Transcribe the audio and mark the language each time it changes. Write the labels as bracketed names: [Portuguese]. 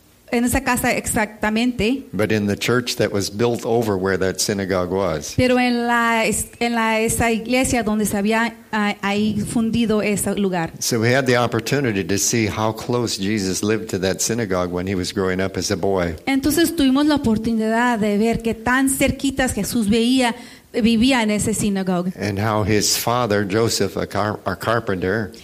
[Spanish] en esa casa exactamente. [English] But in the church that was built over where that synagogue was. [Spanish] Pero en la esa iglesia donde se había ahí fundido ese lugar. [English] So we had the opportunity to see how close Jesus lived to that synagogue when he was growing up as a boy. [Spanish] Entonces tuvimos la oportunidad de ver que tan cerquitas Jesús veía vivía en ese sinagoga. [English] And how his father Joseph, a carpenter.